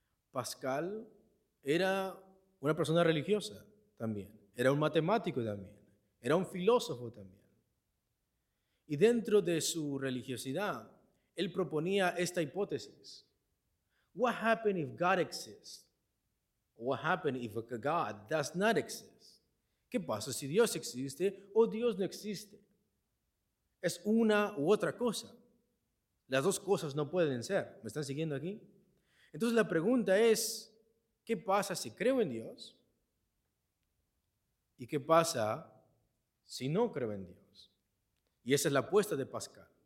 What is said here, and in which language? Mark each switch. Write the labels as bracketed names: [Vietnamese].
[Spanish] Pascal era una persona religiosa también, era un matemático también, era un filósofo también. Y dentro de su religiosidad, él proponía esta hipótesis. [English] What happens if God exists? What happens if a God does not exist? [Spanish] ¿Qué pasa si Dios existe o Dios no existe? Es una u otra cosa. Las dos cosas no pueden ser. ¿Me están siguiendo aquí? Entonces la pregunta es, ¿qué pasa si creo en Dios? ¿Y qué pasa si no creo en Dios? Y esa es la apuesta de Pascal.